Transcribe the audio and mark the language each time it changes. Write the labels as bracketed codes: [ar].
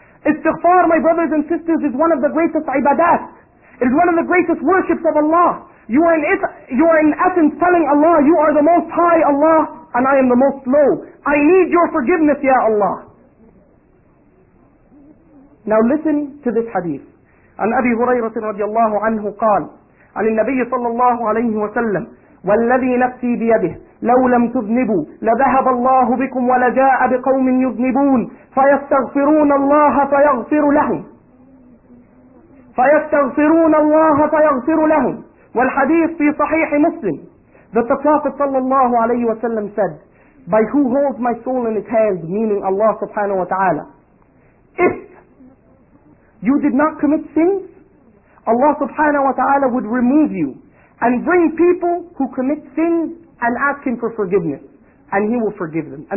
[en] Istighfar, my brothers and sisters, is one of the greatest ibadat. It is one of the greatest worships of Allah. You are in essence telling Allah, you are the most high Allah, and I am the most low. I need your forgiveness, ya Allah. Now listen to this hadith. [ar] An Abi Hurairah radiallahu anhu qal, an Nabi sallallahu alayhi wa sallam, وَالَّذِي نَفْسِي بِيَدِهِ لَوْ لَمْ تُذْنِبُوا لَذَهَبَ اللَّهُ بِكُمْ وَلَجَاءَ بِقَوْمٍ يُذْنِبُونَ فَيَسْتَغْفِرُونَ اللَّهَ فَيَغْفِرُ لَهُمْ فَيَسْتَغْفِرُونَ اللَّهَ فَيَغْفِرُ لَهُمْ. والحديث في صحيح مسلم [en] that the Prophet صلى الله عليه وسلم said, by who holds my soul in his hands, meaning Allah subhanahu wa ta'ala, if you did not commit sins, Allah subhanahu wa ta'ala would remove you and bring people who commit sins and ask him for forgiveness, and he will forgive them.